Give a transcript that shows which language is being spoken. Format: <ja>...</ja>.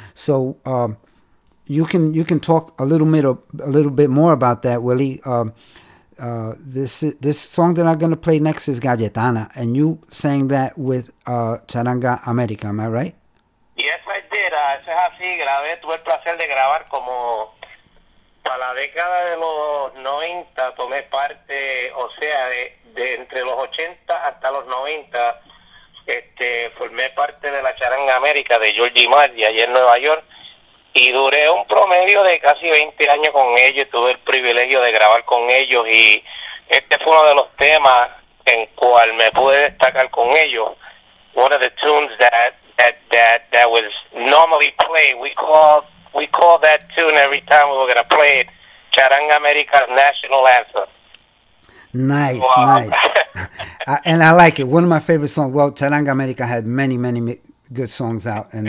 <en>So you can talk a little bit more about that, Willie. This song that I'm going to play next is Galletana. And you sang that with Charanga America, am I right? Yes, I did.</en> <es>Eso es así. Grabé, tuve el placer de grabar como... Para la década de los 90 tomé parte, o sea, de entre los 80 hasta los 90, formé parte de la Charanga América de Georgie Maggi allá en Nueva York, y duré un promedio de casi 20 años con ellos, tuve el privilegio de grabar con ellos, y este fue uno de los temas en cual me pude destacar con ellos.</es> <en>One of the tunes that was normally played, we call that tune every time we were going to play it, Charanga America's National Anthem. Nice, wow. Nice. And I like it. One of my favorite songs. Well, Charanga America had many, many good songs out. And</en>